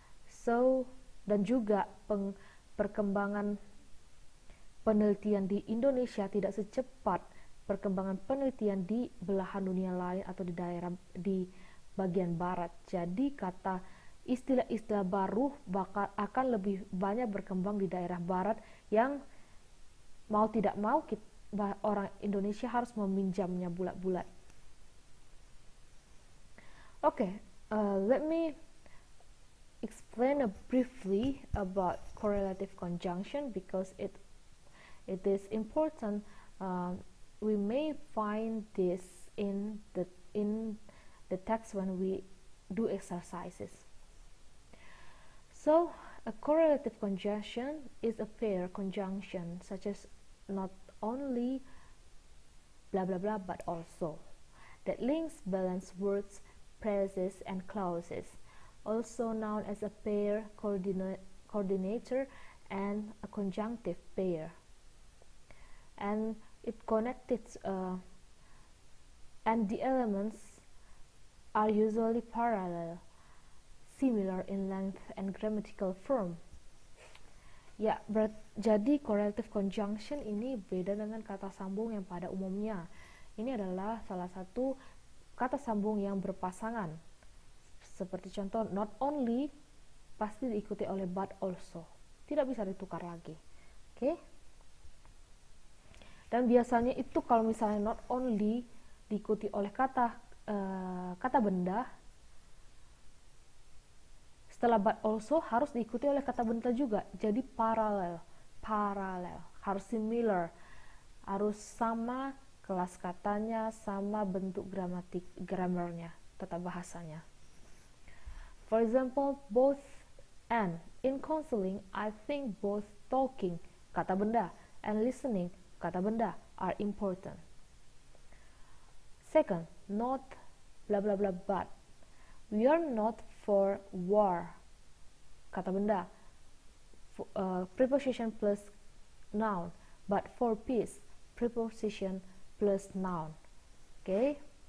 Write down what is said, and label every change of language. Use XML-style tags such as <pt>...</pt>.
<id>So, dan juga perkembangan penelitian di Indonesia tidak secepat perkembangan penelitian di belahan dunia lain atau di daerah di bagian barat. Jadi kata istilah-istilah baru bakal akan lebih banyak berkembang di daerah barat yang mau tidak mau orang Indonesia harus meminjamnya bulat-bulat.</id> <en>Okay, let me explain briefly about correlative conjunction because it is important. We may find this in the text when we do exercises. So, a correlative conjunction is a pair conjunction, such as not only blah blah blah, but also that links balance words, phrases, and clauses, also known as a pair coordinator and a conjunctive pair. And it connected, and the elements are usually parallel, similar in length and grammatical form.</en> <id>Ya, jadi correlative conjunction ini beda dengan kata sambung yang pada umumnya. Ini adalah salah satu kata sambung yang berpasangan. Seperti contoh, not only pasti diikuti oleh but also. Tidak bisa ditukar lagi. Oke? Dan biasanya itu kalau misalnya not only diikuti oleh kata kata benda, setelah but also harus diikuti oleh kata benda juga. Jadi paralel, harus similar, harus sama kelas katanya, sama bentuk grammarnya, tata bahasanya.</id> <en>For example, both and in counseling, I think both talking,</en> <id>kata benda,</id> <en>and listening, kata benda, are important. Second, not blah blah blah but. We are not for war,</en> <id>kata benda,</id> <en>preposition plus noun, but for peace, preposition plus noun. Okay?</en>